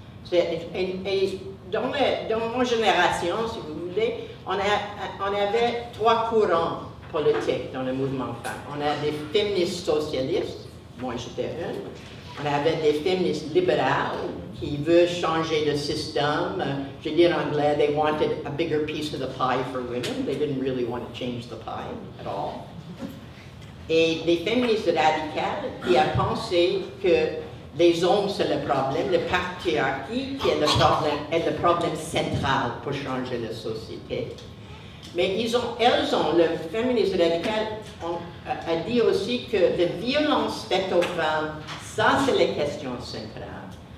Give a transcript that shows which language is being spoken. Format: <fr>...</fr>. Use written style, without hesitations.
<fr>C'est, et dans, le, dans mon génération, si vous voulez, on avait trois courants politiques dans le mouvement femmes. On a des féministes socialistes, moi j'étais une. On avait des féministes libérales qui veulent changer le système. Je dis en anglais,</fr> <en>they wanted a bigger piece of the pie for women. They didn't really want to change the pie at all.</en> <fr>Et des féministes radicales qui ont pensé que les hommes c'est le problème, le patriarcat qui est le problème central pour changer la société. Mais ils ont, elles ont, le féministe radical a dit aussi que la violence faite aux femmes, ça c'est la question centrale.</fr>